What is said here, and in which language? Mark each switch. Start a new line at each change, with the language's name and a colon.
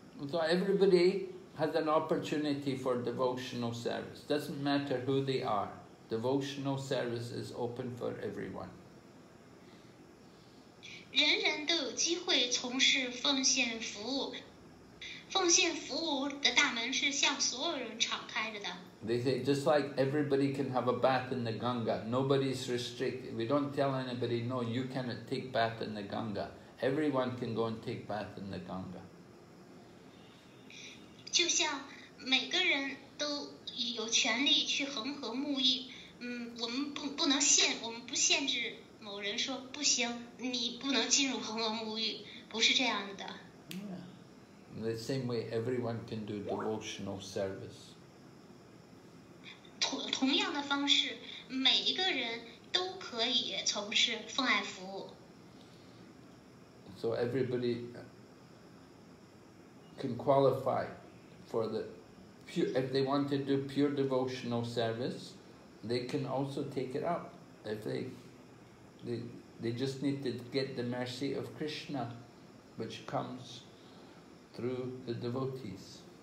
English: So everybody has an opportunity for devotional service. Doesn't matter who they are. Devotional service is open for everyone.
Chinese: 人人都有机会从事奉献服务，奉献服务的大门是向所有人敞开着的。
English: They say just like everybody can have a bath in the Ganga, nobody's restricted. We don't tell anybody, no, you cannot take bath in the Ganga. Everyone can go and take bath in the Ganga.
Chinese: 就像每个人都有权利去恒河沐浴，我们不能限，我们不限制。某人说不行，你不能进入恒河沐浴，不是这样的。
English: Yeah. In the same way, everyone can do devotional service.
Chinese: 同样的方式，每一个人都可以从事奉爱服务。
English: So everybody can qualify for the pure, if they want to do pure devotional service, they can also take it up. If they just need to get the mercy of Krishna, which comes through the devotees.